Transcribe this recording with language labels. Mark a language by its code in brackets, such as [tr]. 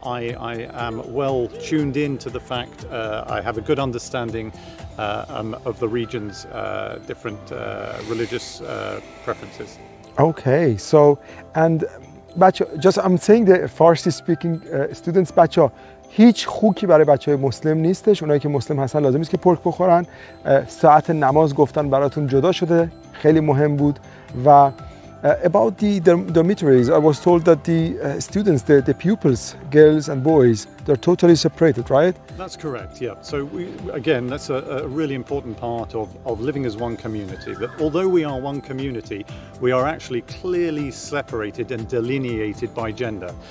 [en] I am well tuned in to the fact. I have a good understanding of the region's different religious preferences. Okay, so, and بچه just I'm saying the Farsi speaking students [fa] بچه هیچ خوکی برای بچه های مسلم نیستش. اونایی که مسلم هستن لازم نیست که پرک بخورن. ساعت نماز گفتن براتون جدا شده، خیلی مهم بود. [en] و about the dormitories, I was told that the students, the pupils, girls and boys, they're totally separated, right? That's correct, yeah. So we, again, that's a really important part of living as one community. But although we are one community, we are actually clearly separated and delineated by gender.